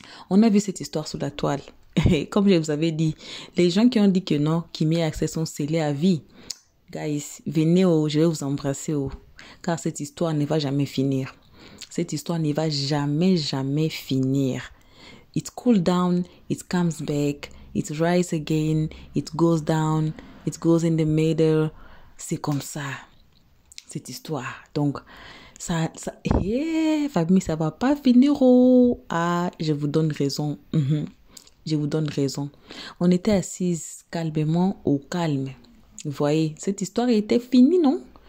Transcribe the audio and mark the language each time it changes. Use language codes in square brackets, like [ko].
[fr] On a vu cette histoire sous la toile. Et comme je vous avais dit, les gens qui ont dit que non, Kim et Axel sont scellés à vie. Guys, venez, je vais vous embrasser, car cette histoire ne va jamais finir. Cette histoire ne va jamais, jamais finir. [en] It cools down, it comes back. It rises again, it goes down, it goes in the middle. [fr] C'est comme ça, cette histoire. Donc, famille, ça va pas finir. Oh, ah, je vous donne raison. Je vous donne raison. On était assises calmement au calme. Vous voyez, cette histoire était finie, non?